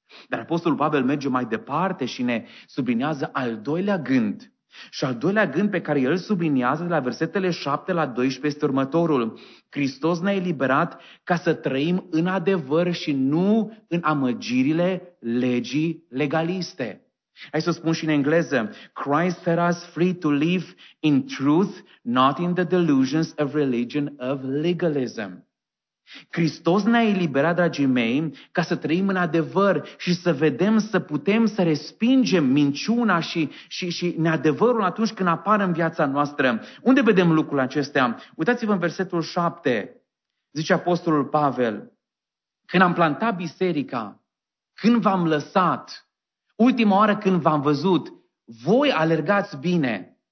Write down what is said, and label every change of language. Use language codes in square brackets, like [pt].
[ro] Dar Apostolul Pavel merge mai departe și ne sublinează al doilea gând. Și al doilea gând pe care el sublinează de la versetele 7 la 12 este următorul. Hristos ne-a eliberat ca să trăim în adevăr și nu în amăgirile legii legaliste. Hai să spun și în engleză. [en] Christ set us free to live in truth, not in the delusions of religion of legalism. [ro] Hristos ne-a eliberat, dragii mei, ca să trăim în adevăr și să vedem, să putem să respingem minciuna și neadevărul atunci când apar în viața noastră. Unde vedem lucrul acestea? Uitați-vă în versetul 7, zice Apostolul Pavel, când am plantat biserica, când v-am lăsat, ultima oară când v-am văzut, voi alergați bine.